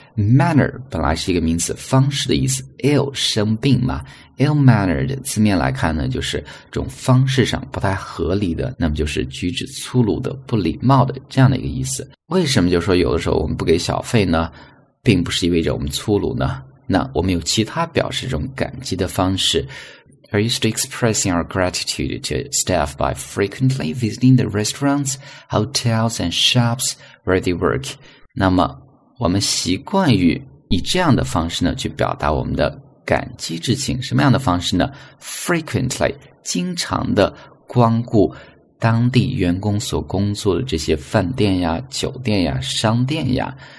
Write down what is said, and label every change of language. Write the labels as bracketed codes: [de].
[zh] Manner 本来是一个名词，方式的意思。Ill 生病嘛 ，ill-mannered 字面来看呢，就是这种方式上不太合理的，那么就是举止粗鲁的、不礼貌的这样的一个意思。为什么就说有的时候我们不给小费呢，并不是意味着我们粗鲁呢？那我们有其他表示这种感激的方式。 [en] Are you still expressing our gratitude to staff by frequently visiting the restaurants, hotels, and shops where they work? [zh] 那么我们习惯于以这样的方式呢去表达我们的感激之情。什么样的方式呢？Frequently, 经常的光顾当地员工所工作的这些饭店呀、酒店呀、商店呀。